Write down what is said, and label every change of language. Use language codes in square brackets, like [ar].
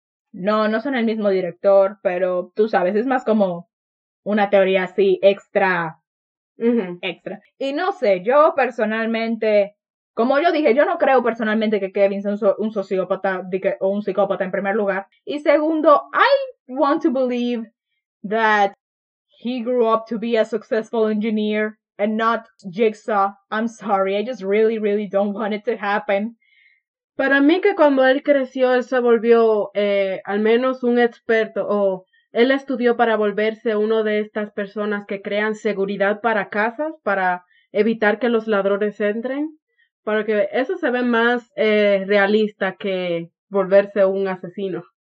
[es] No, no son el mismo director, pero tú sabes, es más como una teoría así, extra, extra. Y no sé, yo personalmente, como yo dije, yo no creo personalmente que Kevin sea un sociópata o un psicópata en primer lugar. Y segundo, [en] I want to believe that he grew up to be a successful engineer and not Jigsaw. I'm sorry, I just really, really don't want it to happen. [es] Para mí que cuando él creció, él se volvió al menos un experto o él estudió para volverse uno de estas personas que crean seguridad para casas, para evitar que los ladrones entren, para que eso se ve más realista que volverse un asesino.